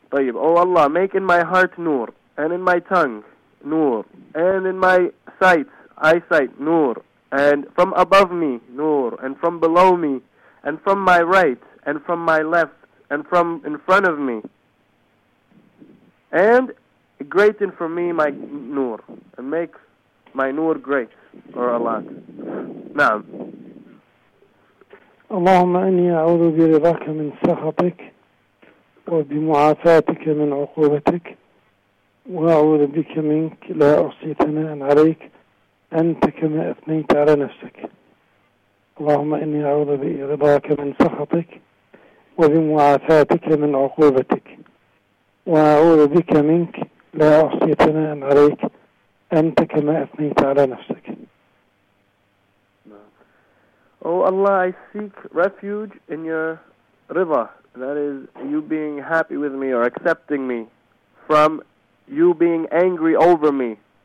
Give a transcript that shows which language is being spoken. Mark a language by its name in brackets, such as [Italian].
[English] طيب, oh Allah, make in my heart nur, and in my tongue nur, and in my sight, eyesight nur, and from above me nur, and from below me, and from my right, and from my left, and from in front of me, and greaten for me my nur, and make my nur great, or a lot. Naam. [Arabic] اللهم إني أعوذ برضاك من سخطك وبمعافاتك من عقوبتك, وأعوذ بك منك لا أحصي ثناء عليك أنت كما أثنيت على نفسك. اللهم إني أعوذ برضاك من سخطك وبمعافاتك من عقوبتك, وأعوذ بك منك لا أحصي ثناء عليك أنت كما أثنيت على نفسك. [English] Oh Allah, I seek refuge in your rida, that is, you being happy with me or accepting me, from you being angry over me.